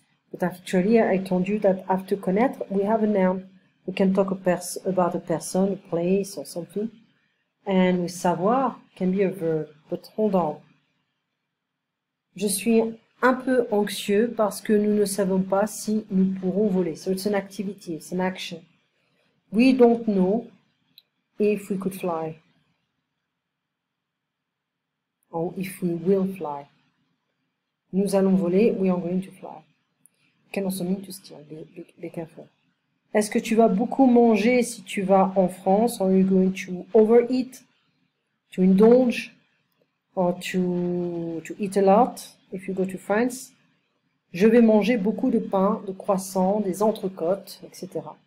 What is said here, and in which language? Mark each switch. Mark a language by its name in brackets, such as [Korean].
[English] But actually, I told you that after connaître, we have a noun. We can talk about a person, a place, or something. And with savoir can be a verb. But hold on. [French] Je suis un peu anxieux parce que nous ne savons pas si nous pourrons voler. [English] So it's an activity, it's an action. We don't know if we could fly. Or if we will fly. [French] Nous allons voler, [English] we are going to fly. Can also mean to steal, be careful. [French] Est-ce que tu vas beaucoup manger si tu vas en France? [English] Are you going to overeat, to indulge, or to eat a lot if you go to France? [French] Je vais manger beaucoup de pain, de croissants, des entrecôtes, etc.